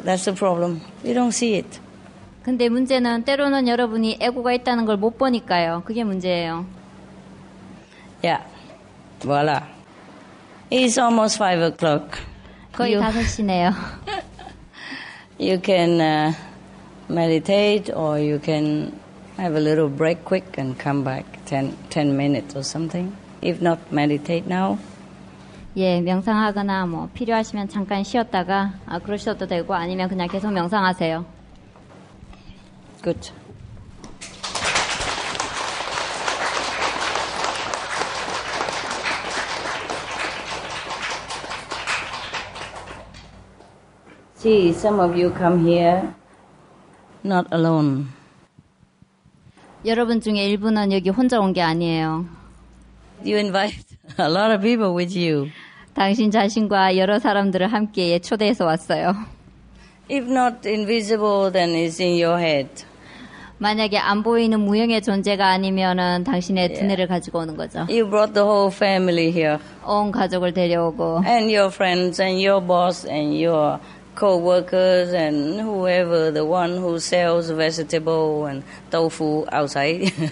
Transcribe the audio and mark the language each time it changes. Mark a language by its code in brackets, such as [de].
[en] That's the problem. You don't see it. [ko] 근데 문제는 때로는 여러분이 에고가 있다는 걸 못 보니까요. 그게 문제예요. [en] Yeah. Voilà. It's almost 5 o'clock. [ko] 거의 you, 5시네요. [en] You can meditate or you can have a little break quick and come back 10 minutes or something. If not, meditate now. [ko] 예, 명상하거나 뭐 필요하시면 잠깐 쉬었다가 그러셔도 되고 아니면 그냥 계속 명상하세요. [en] Good. See, some of you come here not alone. [ko] 여러분 중에 일부는 여기 혼자 온 게 아니에요. [en] You invite a lot of people with you. [ko] 당신 자신과 여러 사람들을 함께 초대해서 왔어요. [en] If not invisible, then it's in your head. [ko] 만약에 안 보이는 무형의 존재가 아니면은 당신의 두뇌를 가지고 오는 거죠. [en] You brought the whole family here. [ko] 온 가족을 데려오고. [en] And your friends and your boss and your co-workers and whoever, the one who sells vegetable and tofu outside.